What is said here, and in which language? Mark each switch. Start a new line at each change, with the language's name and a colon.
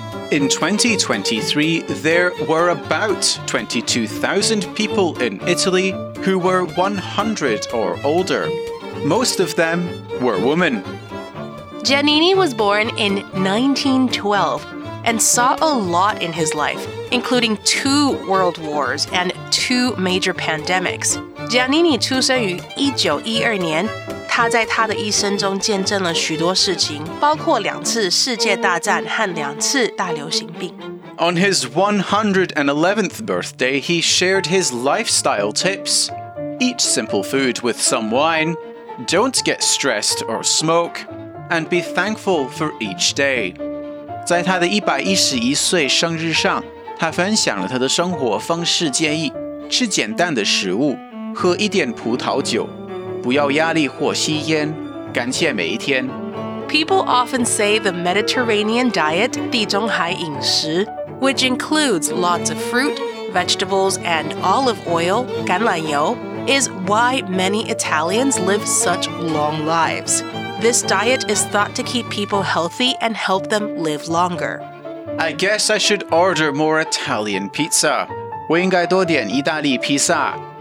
English: In 2023, there were about 22,000 people in Italy who were 100 or older. Most of them were women. Giannini was born in 1912 and saw a lot in his life, including two world wars and two major pandemics.
Chinese: Giannini 出生于1912年，他在他的一生中见证了许多事情，包括两次世界大战和两次大流行病。
English: On his 111th birthday, he shared his lifestyle tips. Eat simple food with some wine, don't get stressed or smoke, and be thankful for each day.
Chinese: 在他的111岁生日上，他分享了他的生活方式建议，吃简单的食物，喝一点葡萄酒，不要压力或吸烟，感谢每一天。
English: People often say the Mediterranean diet, 地中海饮食，which includes lots of fruit, vegetables, and olive oil, 橄榄油, is why many Italians live such long lives. This diet is thought to keep people healthy and help them live longer. I guess I should order more Italian pizza.
Chinese: 我应该多点意大利披萨。